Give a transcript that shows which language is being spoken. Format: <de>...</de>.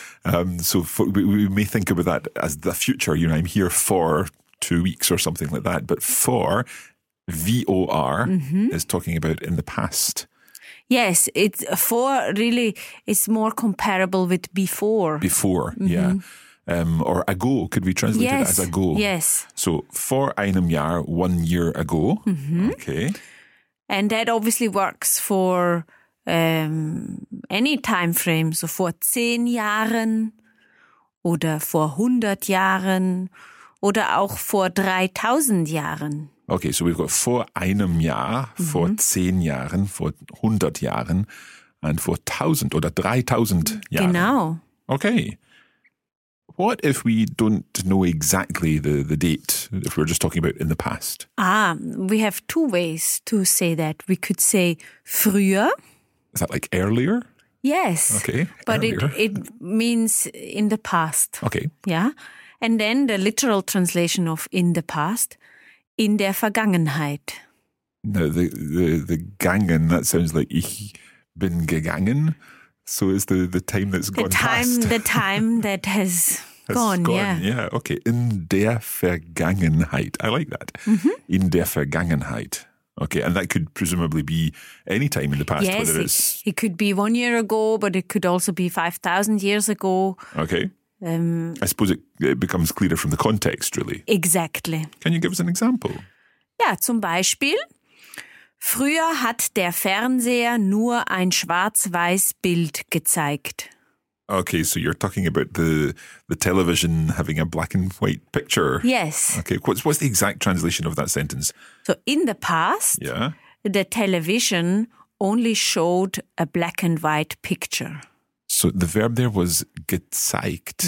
<en>We may think about that as the future. You know, I'm here for 2 weeks or something like that. But four, V-O-R, mm-hmm. is talking about in the past. Yes, it's four really is more comparable with before. Before, mm-hmm. yeah. Or ago, could we translate yes, it as ago? Yes. So,</en> <de>vor einem Jahr,</de> <en>1 year ago. Mm-hmm. Okay. And that obviously works for any time frame.</en> <de>So, vor 10 Jahren oder vor 100 Jahren oder auch vor 3000 Jahren.</de> <en>Okay, so we've got</en> <de>vor einem Jahr, mm-hmm. vor 10 Jahren, vor 100 Jahren</de> <en>and</en> <de>vor 1000 oder 3000 Jahren. Genau.</de> <en>Okay. What if we don't know exactly the date, if we're just talking about in the past? We have two ways to say that. We could say früher. Is that like earlier? Yes. Okay, but it means in the past. Okay. Yeah. And then the literal translation of in the past,</en> <de>in der Vergangenheit.</de> <en>No, the gangen, that sounds like</en> <de>ich bin gegangen.</de> <en>So is the time that's gone past. The time that has gone, yeah. Yeah, okay.</en> <de>In der Vergangenheit.</de> <en>I like that. Mm-hmm. In der Vergangenheit. Okay, and that could presumably be any time in the past. Yes, whether it's it could be 1 year ago, but it could also be 5,000 years ago. Okay. I suppose it becomes clearer from the context, really. Exactly. Can you give us an example?</en> <de>Yeah, zum Beispiel. Früher hat der Fernseher nur ein schwarz-weiß Bild gezeigt.</de> <en>Okay, so you're talking about the television having a black and white picture. Yes. Okay, what's the exact translation of that sentence? So in the past, yeah. the television only showed a black and white picture. So the verb there was gezeigt.</en>